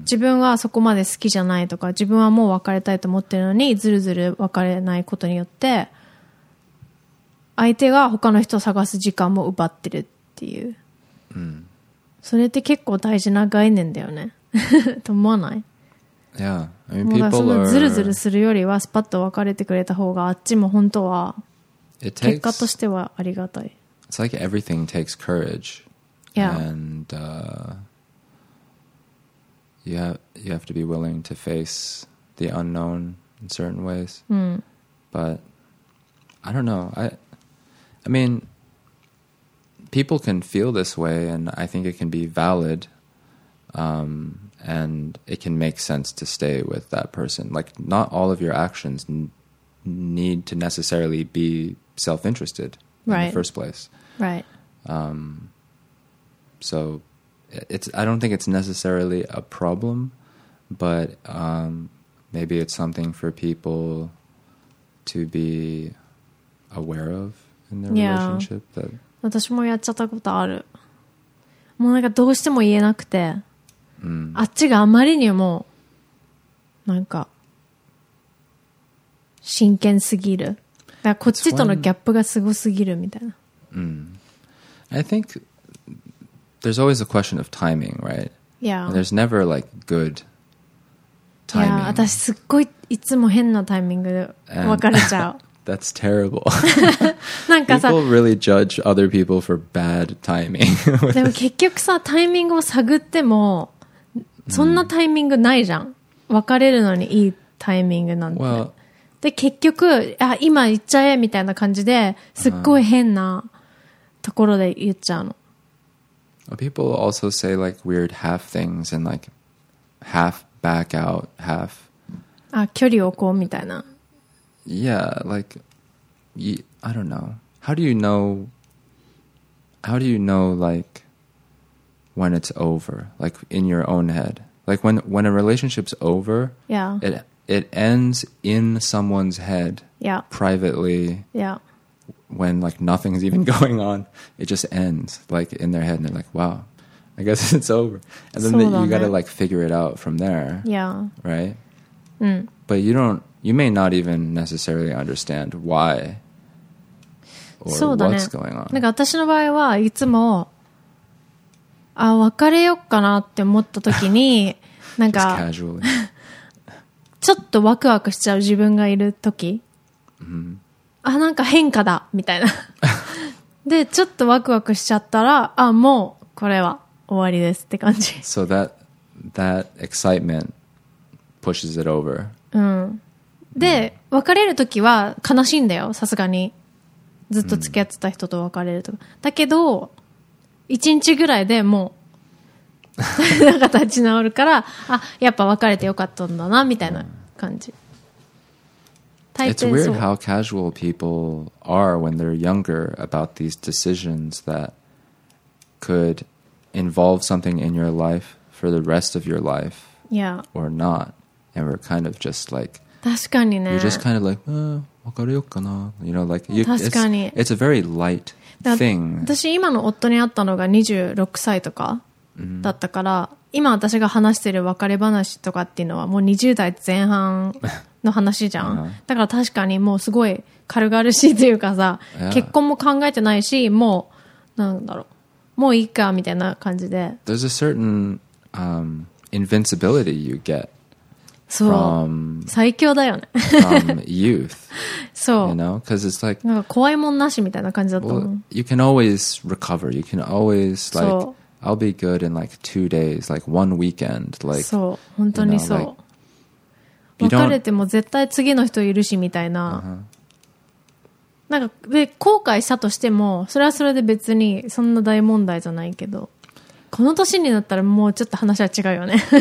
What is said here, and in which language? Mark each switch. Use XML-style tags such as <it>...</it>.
<ja>自分はそこまで好きじゃないとか自分はもう別れたいと思ってるのにずるずる別れないことによって相手が他の人を探す時間も奪ってるっていう、うん、それって結構大事な概念だよねと思わない？</ja> <en>Yeah, I mean, people are...</en> <ja>ずるずるするよりはスパッと別れてくれた方があっちも本当は結果としてはありがたい。</ja> <en>It's like everything takes courage. Yeah. And、you have to be willing to face the unknown in certain ways.、 Mm. But I don't know. I mean... People can feel this way, and I think it can be valid、and it can make sense to stay with that person. Like, not all of your actions need to necessarily be self-interested in、 right. the first place. Right.、 so, I don't think it's necessarily a problem, but、maybe it's something for people to be aware of in their、 yeah. relationship that...</en> <ja>私もやっちゃったことある。もうなんかどうしても言えなくて、うん、あっちがあまりにもなんか真剣すぎる、だからこっちとのギャップがすごすぎるみたいな。</ja> <en>うん、I think there's always a question of timing, right? Yeah. There's never like good timing.</en> <ja>いや、私すっごいいつも変なタイミングで別れちゃう。</ja> <en>That's terrible. People really judge other people for bad timing.</en> <ja>でも結局さ、タイミングを探ってもそんなタイミングないじゃん。別れるのにいいタイミングなんて。</ja> <en>Well,</en> <ja>で結局あ今言っちゃえみたいな感じで、すっごい変なところで言っちゃうの。</ja> <en>People also say like weird half things and like half back out, half.</en> <ja>あ、距離を置こうみたいな。</ja> <en>Yeah, like, I don't know. How do you know, like, when it's over? Like, in your own head? Like, when a relationship's over, yeah. it ends in someone's head, yeah. privately, yeah. when, like, nothing's even going on. It just ends, like, in their head, and they're like, wow, I guess it's over. And then you gotta like figure it out from there. Yeah. Right? Mm. But you don't, you may not even necessarily understand why or what's going on.</en> <ja>なんか私の場合はいつも、あ、別れよっかなって思った時に、なんか、</ja> <en><Just casually.</en> <ja>laughs> ちょっとワクワクしちゃう自分がいる時、 mm-hmm. あ、なんか変化だみたいな。で、ちょっとワクワクしちゃったら、あ、もうこれは終わりですって感じ。</ja> <en>So that, that excitement pushes it over. うん。</en> <ja>で、別れる時は悲しいんだよ、さすがに。ずっと付き合ってた人と別れるとか。 Mm-hmm. だけど、一日ぐらいでもう、なんか立ち直るから、あ、やっぱ別れてよかったんだな、みたいな感じ。</ja> <en>It's weird how casual people are when they're younger about these decisions that could involve something in your life for the rest of your life, yeah, or not. And we're kind of just like,</en> <ja>確かにね。</ja> <en>You're just kind of like, eh,</en> <ja>別れよっかな。</ja> <en>You know, like, you,</en> <ja>確かに。</ja> <en>It's a very light thing.</en> <ja>私今の夫に会ったのが26歳とかだったから、mm-hmm. 今私が話してる別れ話とかっていうのはもう20代前半。の話じゃん、uh-huh. だから確かにもうすごい軽々しいというかさ、</ja> <en>yeah.</en> <ja>結婚も考えてないしもうなんだろうもういいかみたいな感じで</ja> <en>There's a certain、invincibility you get</en> <ja>from 最強だよね</ja> <en>from youth</en> <ja>そう</ja> <en>you know? 'Cause it's like,</en> <ja>なんか怖いもんなしみたいな感じだと思う、</ja> <en>well, You can always recover You can always like I'll be good in like 2 days Like 1 weekend like,</en> <ja>そう本当にそう別れても絶対次の人いるしみたいな。 Uh-huh. なんか、で、後悔したとしても、それはそれで別にそんな大問題じゃないけど、この年になったらもうちょっと話は違うよね。</ja>